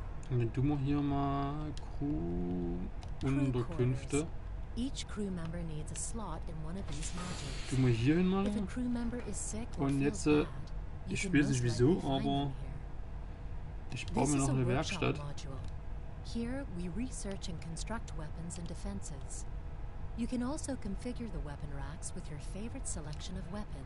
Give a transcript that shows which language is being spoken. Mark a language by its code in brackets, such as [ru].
[de] Wenn du mal hier mal Crew-Unterkünfte. [en] Each crew member needs a slot in one of these modules. [de] Du mal hier hin mal. Und jetzt, ich weiß nicht wieso, aber ich baue mir noch eine Werkstatt. [en] Here we research and construct weapons and defenses. You can also configure the weapon racks with your favorite selection of weapons.